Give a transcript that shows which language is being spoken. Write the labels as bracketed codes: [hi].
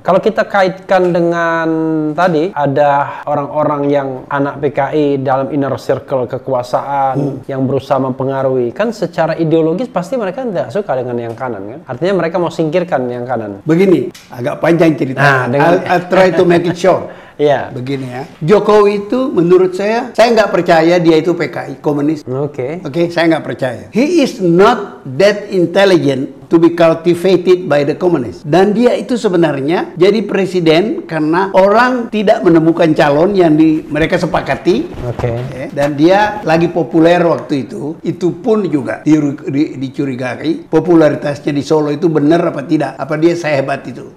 [id] Kalau kita kaitkan dengan tadi, ada orang-orang yang anak PKI dalam inner circle kekuasaan yang berusaha mempengaruhi, kan secara ideologis pasti mereka tidak suka dengan yang kanan kan? Artinya mereka mau singkirkan yang kanan. Begini, agak panjang cerita. [en] I'll try to make it short. [id] Ya, begini ya. Jokowi itu menurut saya nggak percaya dia itu PKI komunis. Oke, saya nggak percaya. [en] He is not that intelligent to be cultivated by the communists. [id] Dan dia itu sebenarnya jadi presiden karena orang tidak menemukan calon yang mereka sepakati. Dan dia lagi populer waktu itu. Itu pun juga dicurigai popularitasnya di Solo itu benar apa tidak, apa dia sehebat itu.